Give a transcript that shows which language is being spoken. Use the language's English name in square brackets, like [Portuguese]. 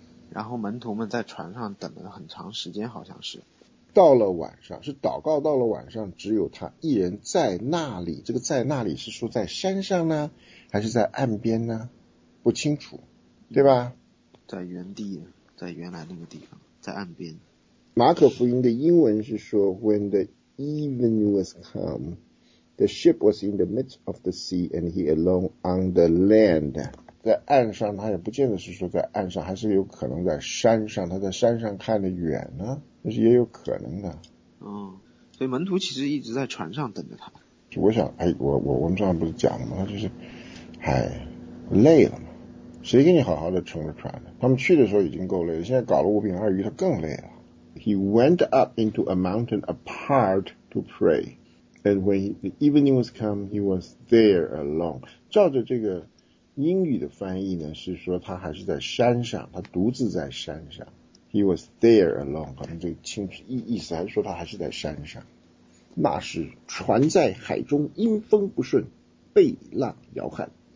[Chinese] 然后门徒们在船上等了很长时间，好像是。到了晚上，是祷告到了晚上，只有他一人在那里。这个在那里是说在山上呢，还是在岸边呢？不清楚，对吧？在原地。在原来那个地方，在岸边。马可福音的英文是说 [English] When the evening was come, the ship was in the midst of the sea and he alone on the land. [Chinese] 在岸上，他也不见得是说在岸上，还是有可能在山上，他在山上看得远呢，那是也有可能的。所以门徒其实一直在船上等着他。我想，哎，我们上次不是讲了吗？他就是，哎，累了嘛。谁给你好好的乘着船呢？他们去的时候已经够累了，现在搞了五饼二鱼，他更累了。 [English] He went up into a mountain apart to pray, and when the evening was come, he was there alone. [Chinese] 照着这个英语的翻译呢，是说他还是在山上，他独自在山上。 [English] He was there alone， [Chinese] 可能这个清楚意思还是说他还是在山上。那是船在海中，阴风不顺，被浪摇撼。